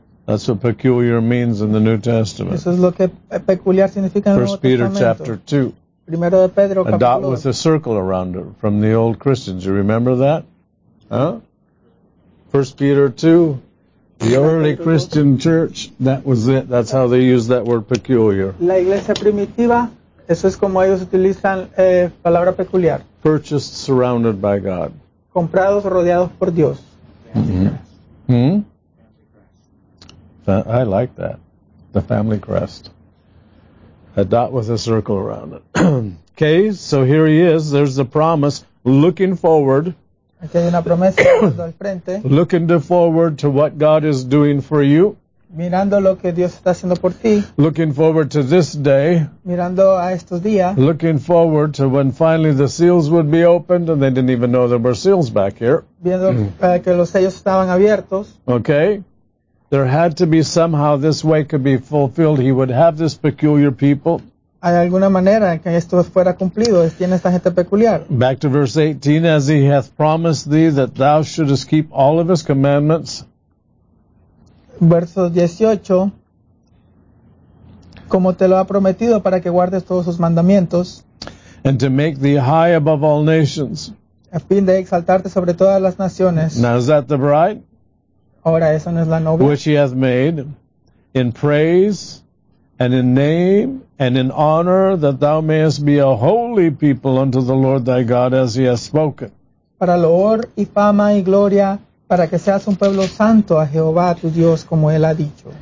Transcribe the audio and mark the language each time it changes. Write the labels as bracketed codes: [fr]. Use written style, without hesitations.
[en] That's what peculiar means in the New Testament. [es] Eso es lo que peculiar significa en el Nuevo Testamento. [en] First Peter chapter 2. [es] Primero de Pedro, [en] a dot with a circle around it from the old Christians. You remember that? Huh? First Peter 2, the early Christian church, that was it. That's how they used that word peculiar. [es] La iglesia primitiva, eso es como ellos utilizan palabra peculiar. [en] Purchased, surrounded by God. [es] Comprados, rodeados por Dios. [en] I like that. The family crest. A dot with a circle around it. Okay, so here he is. There's the promise. Looking forward. [es] Aquí hay una promesa al frente. [en] Looking forward to what God is doing for you. [es] Mirando lo que Dios está haciendo por ti. [en] Looking forward to this day. [es] Mirando a estos días. [en] Looking forward to when finally the seals would be opened, and they didn't even know there were seals back here. [es] Viendo que los sellos estaban abiertos. [en] Okay. There had to be somehow this way could be fulfilled. He would have this peculiar people. [es] Hay alguna manera que esto fuera cumplido. Tiene esta gente peculiar. [en] Back to verse 18. As he hath promised thee that thou shouldest keep all of his commandments. [es] Verso 18, como te lo ha prometido para que guardes todos sus mandamientos. [en] And to make thee high above all nations. [es] A fin de exaltarte sobre todas las naciones. [en] Now is that the bride? [es] Ahora, esa no es la novia. [en] Which he hath made in praise and in name and in honor that thou mayest be a holy people unto the Lord thy God as he has spoken. [es] Para loor y fama y gloria. Para que seas un pueblo santo a Jehová tu Dios como él ha dicho.